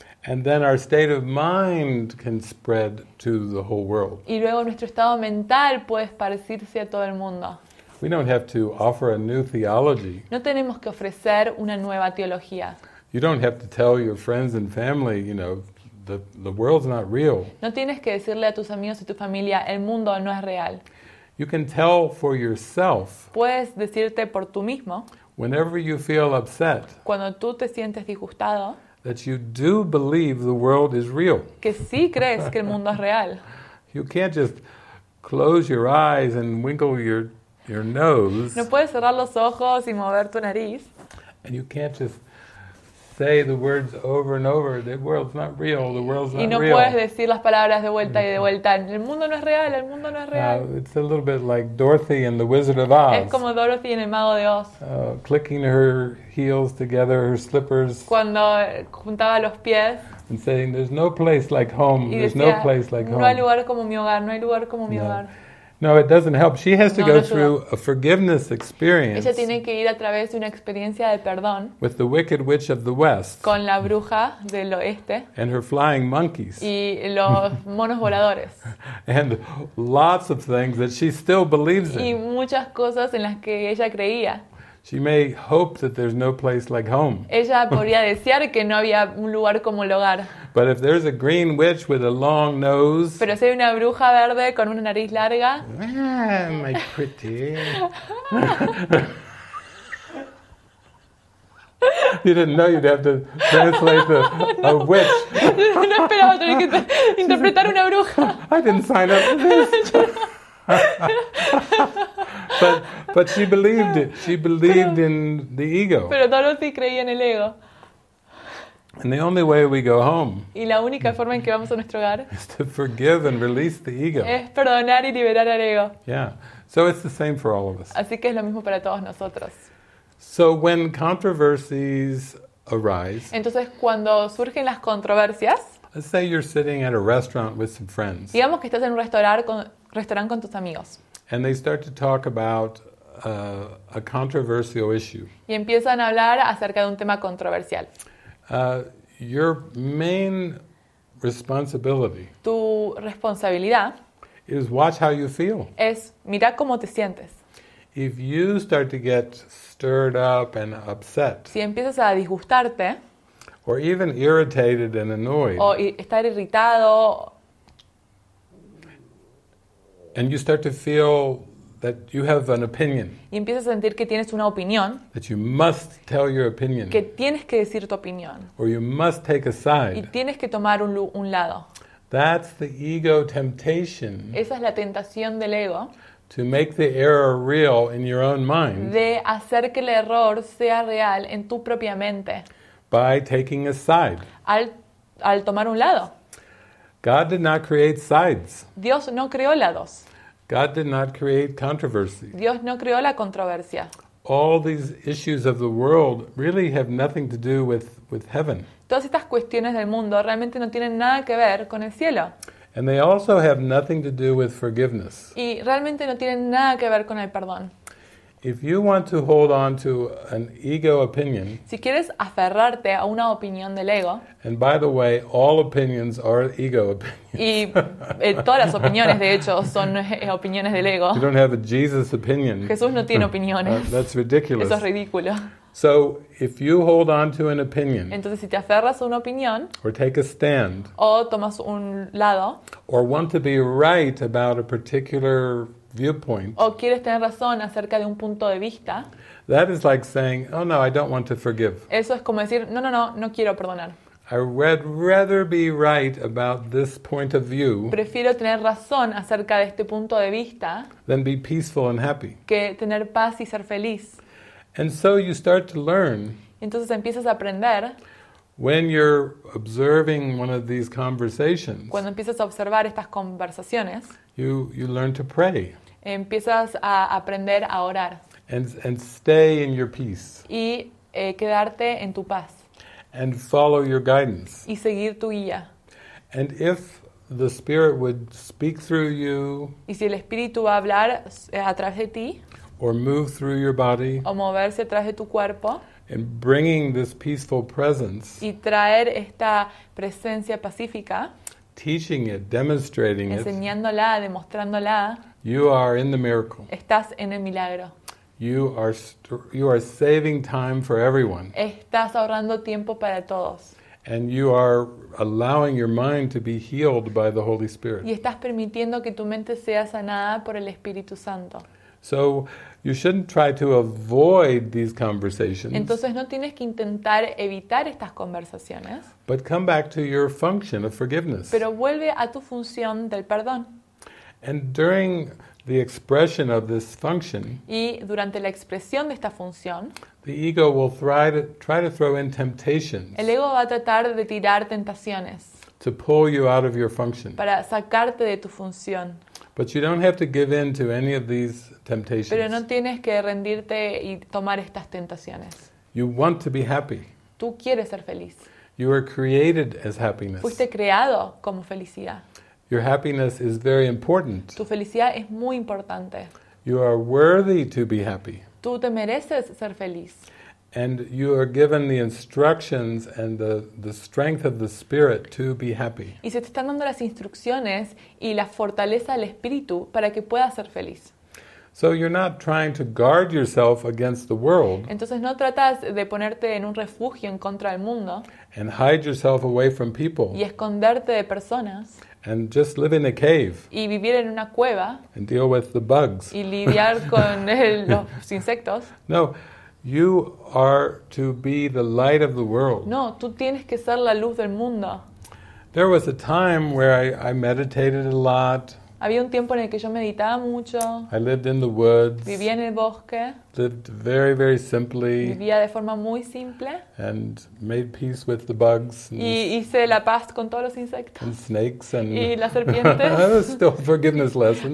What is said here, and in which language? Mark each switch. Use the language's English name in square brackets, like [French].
[English] And then our state of mind can spread to the whole world. [Spanish] Y luego nuestro estado mental puede esparcirse a todo el mundo. [English] We don't have to offer a new theology. [Spanish] No tenemos que ofrecer una nueva teología. [English] You don't have to tell your friends and family, you know, the world's not real. [Spanish] No tienes que decirle a tus amigos y tu familia, el mundo no es real. [English] You can tell for yourself. [Spanish] Puedes decirte por tú mismo. [English] Whenever you feel upset. [Spanish] Cuando tú te sientes disgustado. [English] That you do believe the world is real. [Spanish] Que sí crees que el mundo es real. [English] You can't just close your eyes and winkle your nose. [Spanish] No puedes cerrar los ojos y mover tu nariz. [English] And you can't just say the words over and over. The world's not real. The world's not real. [Spanish] Y no puedes decir las palabras de vuelta y de vuelta. El mundo no es real. El mundo no es real. [English] It's a little bit like Dorothy and the Wizard of Oz. [Spanish] Es como Dorothy en El Mago de Oz. [English] Clicking her heels together, her slippers. [Spanish] Cuando juntaba los pies. [English] And saying, "There's no place like home. [Spanish] Decía, [English] there's no place like home." [Spanish] No hay lugar como mi hogar. No hay lugar como mi hogar. [English] No, it doesn't help. She has to go through a forgiveness experience. [Spanish] Ella tiene que ir a través de una experiencia de perdón. [English] With the Wicked Witch of the West. [Spanish] Con la bruja del oeste. [English] And her flying monkeys. [Spanish] Y los monos voladores. [English] And lots of things that she still believes in. [Spanish] Y muchas cosas en las que ella creía. [English] She may hope that there's no place like home. [Spanish] Ella podría desear que no había un lugar como el hogar. [English] But if there's a green witch with a long nose. [Spanish] Pero si hay una bruja verde con una nariz larga. [English] My pretty. You didn't know you'd have to translate a witch. [Spanish] No esperaba tener que interpretar una bruja. [English] I didn't sign up for this. But But she believed it. She believed in the ego. [Spanish] Pero Dorothy creía en el ego. [English] And the only way we go home [Spanish] y la única forma en que vamos a nuestro hogar [English] is to forgive and release the ego. [Spanish] Es perdonar y liberar al ego. [English] Yeah. So it's the same for all of us. [Spanish] Así que es lo mismo para todos nosotros. [English] So when controversies arise, [Spanish] entonces cuando surgen las controversias, [English] let's say you're sitting at a restaurant with some friends. [Spanish] Digamos que estás en un restaurante con tus amigos. [English] And they start to talk about a controversial issue. [Spanish] Y empiezan a hablar acerca de un tema controversial. [English] Your main responsibility. [Spanish] Tu responsabilidad. [English] Is watch how you feel. [Spanish] Es mira cómo te sientes. [English] If you start to get stirred up and upset. [Spanish] Si empiezas a disgustarte. [English] Or even irritated and annoyed. [Spanish] O estar irritado. [English] And you start to feel that you have an opinion. [Spanish] Y empiezas a sentir que tienes una opinión. [English] That you must tell your opinion. [Spanish] Que tienes que decir tu opinión. [English] Or you must take a side. [Spanish] Y tienes que tomar un lado. [English] That's the ego temptation. [Spanish] Esa es la tentación del ego. [English] To make the error real in your own mind. [Spanish] De hacer que el error sea real en tu propia mente. [English] By taking a side. [Spanish] Al tomar un lado. [English] God did not create sides. [Spanish] Dios no creó lados. [English] God did not create controversy. [Spanish] Dios no creó la controversia. [English] All these issues of the world really have nothing to do with heaven. [Spanish] Todas estas cuestiones del mundo realmente no tienen nada que ver con el cielo. [English] And they also have nothing to do with forgiveness. [Spanish] Y realmente no tienen nada que ver con el perdón. [English] If you want to hold on to an ego opinion, [Spanish] si quieres aferrarte a una opinión del ego, [English] and by the way, all opinions are ego opinions. [Spanish] Y todas las opiniones, de hecho, son opiniones del ego. [English] You don't have a Jesus opinion. [Spanish] Jesús no tiene opiniones. [English] That's ridiculous. [Spanish] Eso es ridículo. [English] So if you hold on to an opinion, [Spanish] entonces si te aferras a una opinión, [English] or take a stand, [Spanish] o tomas un lado, [English] or want to be right about a particular viewpoint, [Spanish] o quieres tener razón acerca de un punto de vista, [English] that is like saying, oh no, I don't want to forgive. [Spanish] Eso es como decir, no, no, no, no quiero perdonar. [English] I would rather be right about this point of view. [Spanish] Prefiero tener razón acerca de este punto de vista. [English] Than be peaceful and happy. [Spanish] Que tener paz y ser feliz. [English] And so you start to learn. [Spanish] Entonces empiezas a aprender. [English] When you're observing one of these conversations. [Spanish] Cuando empiezas a observar estas conversaciones. [English] You learn to pray. [Spanish] Empiezas a aprender a orar. [English] And stay in your peace. [Spanish] Y quedarte en tu paz. [English] And follow your guidance. [Spanish] Y seguir tu guía. [English] And if the Spirit would speak through you. [Spanish] Y si el Espíritu va a hablar a través de ti. [English] Or move through your body. [Spanish] O moverse a través de tu cuerpo. [English] And bringing this peaceful presence. [Spanish] Y traer esta presencia pacífica. [English] Teaching it, demonstrating it. [Spanish] Enseñándola, demostrándola. [English] You are in the miracle. [Spanish] Estás en el milagro. [English] You are saving time for everyone. [Spanish] Estás ahorrando tiempo para todos. [English] And you are allowing your mind to be healed by the Holy Spirit. [Spanish] Y estás permitiendo que tu mente sea sanada por el Espíritu Santo. [English] So you shouldn't try to avoid these conversations. [Spanish] Entonces no tienes que intentar evitar estas conversaciones. [English] But come back to your function of forgiveness. [Spanish] Pero vuelve a tu función del perdón. [English] And during the expression of this function. [Spanish] Y durante la expresión de esta función. [English] The ego will try to throw in temptations. [Spanish] El ego va a tratar de tirar tentaciones. [English] To pull you out of your function. [Spanish] Para sacarte de tu función. [English] But you don't have to give in to any of these temptations. [Spanish] Pero no tienes que rendirte y tomar estas tentaciones. [English] You want to be happy. [Spanish] Tú quieres ser feliz. [English] You were created as happiness. [Spanish] Fuiste creado como felicidad. [English] Your happiness is very important. [Spanish] Tu felicidad es muy importante. [English] You are worthy to be happy. [Spanish] Tú te mereces ser feliz. [English] And you are given the instructions and the strength of the Spirit to be happy. [Spanish] Y se te están dando las instrucciones y la fortaleza del Espíritu para que puedas ser feliz. [English] So you're not trying to guard yourself against the world. [Spanish] Entonces no tratas de ponerte en un refugio en contra del mundo. [English] And hide yourself away from people. [Spanish] Y esconderte de personas. [English] And just live in a cave. [Spanish] Y vivir en una cueva. [English] And deal with the bugs. [Spanish] Y lidiar con los insectos. [English] No. You are to be the light of the world. [Spanish] No, tú tienes que ser la luz del mundo. [English] There was a time where I meditated a lot. [Spanish] Había un tiempo en el que yo meditaba mucho. [English] I lived in the woods. [Spanish] Vivía en el bosque. [English] Lived very, very simply. [Spanish] Vivía de forma muy simple. [English] And made peace with the bugs. [Spanish] Y hice la paz con todos los insectos. [English] And snakes and. [Spanish] Y las serpientes. [English] Still forgiveness lessons.